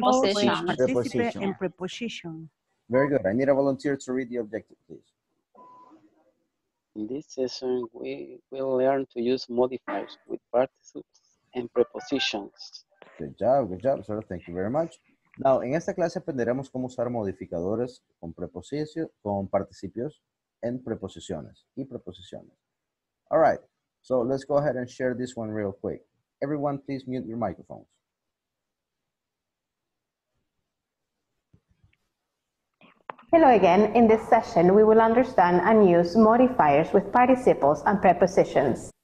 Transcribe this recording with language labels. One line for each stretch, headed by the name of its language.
English: In this session, we will learn to use modifiers with participles and prepositions. Very good. I need a volunteer to read the objective, please. In this session, we will learn to use modifiers with participles and prepositions. Good job, sir. Thank you very much.
Spanish: Now, en esta clase aprenderemos cómo usar modificadores con participios en preposiciones y preposiciones.
English: All right. So let's go ahead and share this one real quick. Everyone, please mute your microphones. Hello again. In this session, we will understand and use modifiers with participles and prepositions.